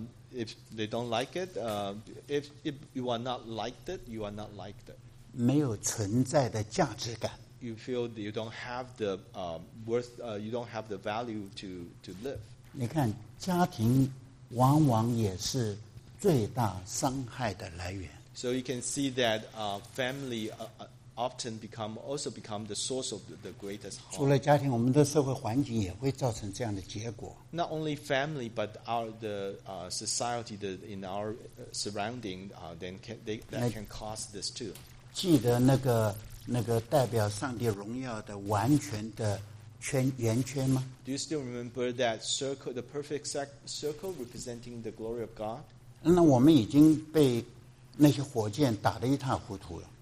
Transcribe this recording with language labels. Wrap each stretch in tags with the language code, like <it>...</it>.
<en>If they don't like it, if you are not liked it, you are not liked it.</en> <zh>没有存在的价值感。</zh> <en>You feel that you don't have the worth, you don't have the value to live.</en> <zh>你看，家庭往往也是最大伤害的来源。</zh> <en>So you can see that family often become the source of the greatest harm.</en> <zh>除了家庭，我们的社会环境也会造成这样的结果。</zh> <en>Not only family, but the society in our surrounding, can cause this too.</en> <zh>记得那个代表上帝荣耀的完全的圆圈吗</zh> <en>？Do you still remember that circle, the perfect circle representing the glory of God?</en> <zh>那我们已经被那些火箭打得一塌糊涂了。</zh>